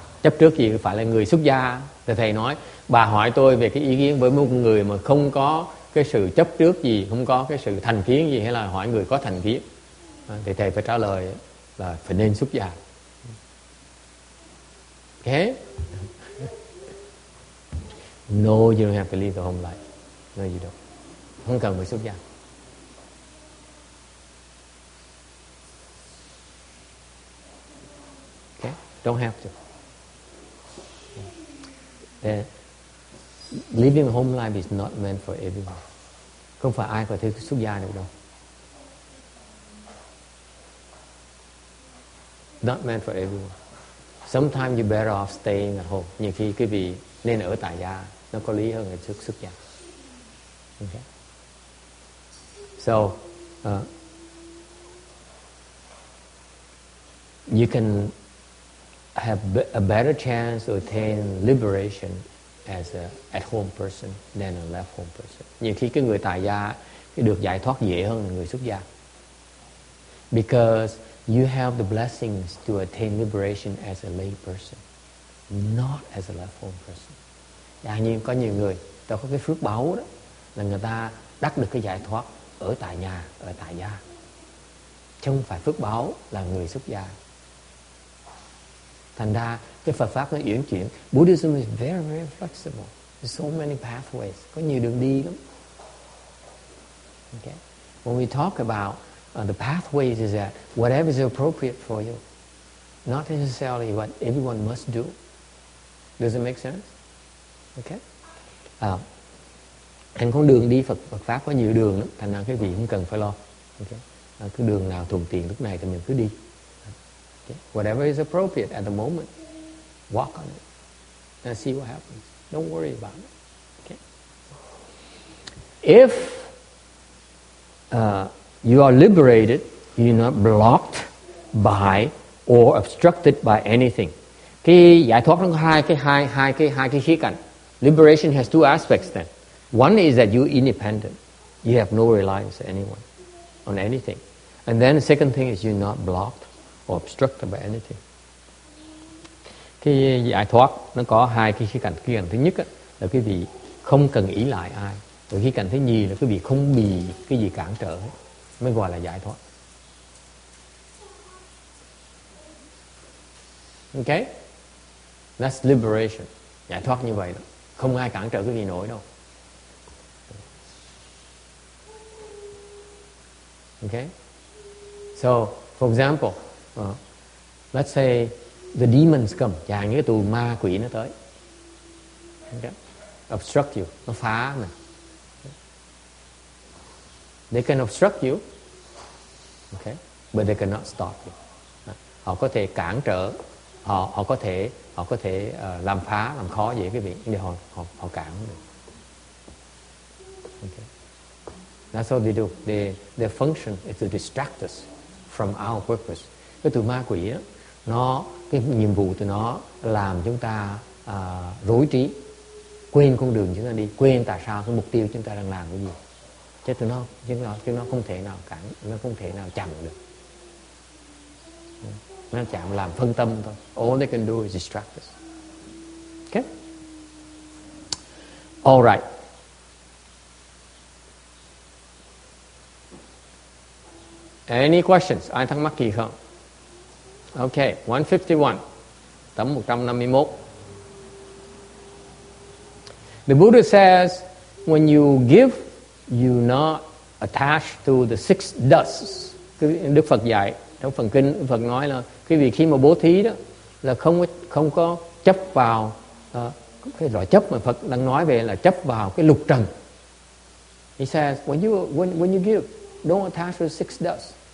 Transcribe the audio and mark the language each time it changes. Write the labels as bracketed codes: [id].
[vi] chấp trước gì phải là người xuất gia. Thì thầy nói, bà hỏi tôi về cái ý kiến với một người mà không có cái sự chấp trước gì, không có cái sự thành kiến gì, hay là hỏi người có thành kiến, thì thầy phải trả lời là phải nên xuất gia. [en] Ok. No, you don't have to leave the home life. No, you don't. [vi] Không cần phải xuất gia. [en] Okay. Don't have to. Then, leaving the home life is not meant for everyone. [vi] Không phải ai có thể xuất gia được đâu. [en] Not meant for everyone. Sometimes you're better off staying at home. [vi] Nhiều khi quý vị nên ở tại gia, nó có lý hơn là xuất gia. [en] Okay. So, you can have a better chance to attain liberation as a at-home person than a left-home person. [vi] Nhiều khi cái người tại gia được giải thoát dễ hơn người xuất gia. [en] Because you have the blessings to attain liberation as a lay person, not as a left-home person. [vi] Dạ, nhưng có nhiều người, ta có cái phước báu đó, là người ta đắc được cái giải thoát ở tại nhà, ở tại gia. Chứ không phải phước báu là người xuất gia. Thành ra, cái Phật Pháp nó uyển chuyển. [en] Buddhism is very, very flexible. There's so many pathways. [vi] Có nhiều đường đi lắm. [en] Okay. When we talk about the pathways is that whatever is appropriate for you, not necessarily what everyone must do. Does it make sense? Okay. [vi] Thành con đường đi Phật Pháp có nhiều đường lắm, thành ra cái gì không cần phải lo. Okay. Cứ đường nào thuận tiện lúc này thì mình cứ đi. [en] Okay. Whatever is appropriate at the moment, walk on it and see what happens. Don't worry about it. Okay. If you are liberated, you're not blocked by or obstructed by anything. [vi] Cái giải thoát nó có hai cái khía cạnh. [en] Liberation has two aspects then. One is that you're independent. You have no reliance on anyone, on anything. And then the second thing is you're not blocked or obstructed by anything. [vi] Cái giải thoát nó có hai cái khía cạnh. Khía cạnh thứ nhất á, là quý vị không cần ý lại ai. Và khía cạnh thứ nhì là quý vị không bị cái gì cản trở hết. Mới gọi là giải thoát. Okay? [en] That's liberation. [vi] Giải thoát như vậy đó. Không ai cản trở cái gì nổi đâu. [en] Okay? So, for example, let's say the demons come. [vi] Chàng như cái tù ma quỷ nó tới. [en] Okay? Obstruct you. [vi] Nó phá mình. [en] They can obstruct you. Okay? But they cannot stop you. [vi] Họ có thể cản trở. Họ có thể làm phá, làm khó dễ cái việc để họ cản được. [en] Okay. That's what they do. Their function is to distract us from our purpose. [vi] Cái tụi ma quỷ đó, nó cái nhiệm vụ của nó làm chúng ta rối trí, quên con đường chúng ta đi, quên tại sao cái mục tiêu chúng ta đang làm cái gì. Chứ tụi nó, chúng nó không thể nào cản, nó không thể nào chặn được. Nó chạm làm phân tâm thôi. [en] All they can do is distract us. Okay? All right. Any questions? [vi] Ai thắc mắc gì không? Okay, 151. Tấm 151. [en] The Buddha says, when you give, you not attached to the six dusts. [vi] Đức Phật dạy, trong phần kinh, Đức Phật nói là quý vị khi mà bố thí đó là không có chấp vào cái loại chấp mà Phật đang nói về là chấp vào cái lục trần. [en] He says when you give, don't attach to six dust.